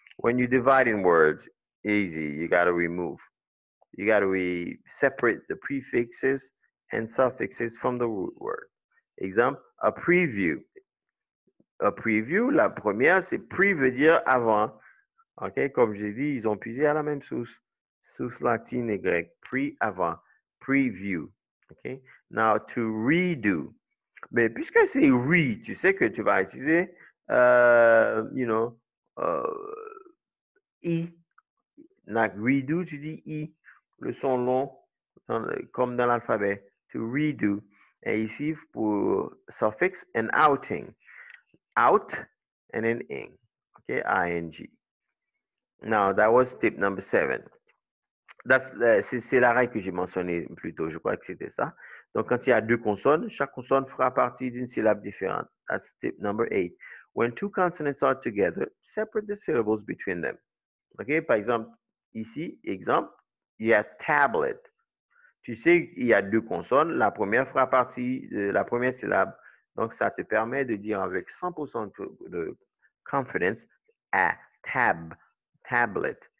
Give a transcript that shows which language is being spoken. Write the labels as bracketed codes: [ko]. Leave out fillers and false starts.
[en] When you divide in words, easy, you got to remove. You got to separate the prefixes and suffixes from the root word. Example, a preview. [fr] A preview, la première, c'est pre veut dire avant. OK, comme j'ai dit, ils ont puisé à la même source. Source latine et grecque, pre, avant, preview. OK, [en] now to redo. [fr] Mais puisque c'est re, tu sais que tu vas utiliser, I, not redo, tu dis I, le son long, comme dans l'alphabet, to redo. Et ici, pour suffix, [en] an outing. Out and an ing, okay, ing. Now, that was tip number seven. [fr] C'est la règle que j'ai mentionné plus tôt, je crois que c'était ça. Donc, quand il y a deux consonnes, chaque consonne fera partie d'une syllabe différente. [en] That's tip number eight. When two consonants are together, separate the syllables between them. [fr] OK, par exemple, ici, exemple, il y a tablet. Tu sais qu'il y a deux consonnes. La première fera partie de la première syllabe. Donc, ça te permet de dire avec 100% de confidence a tab, tablet.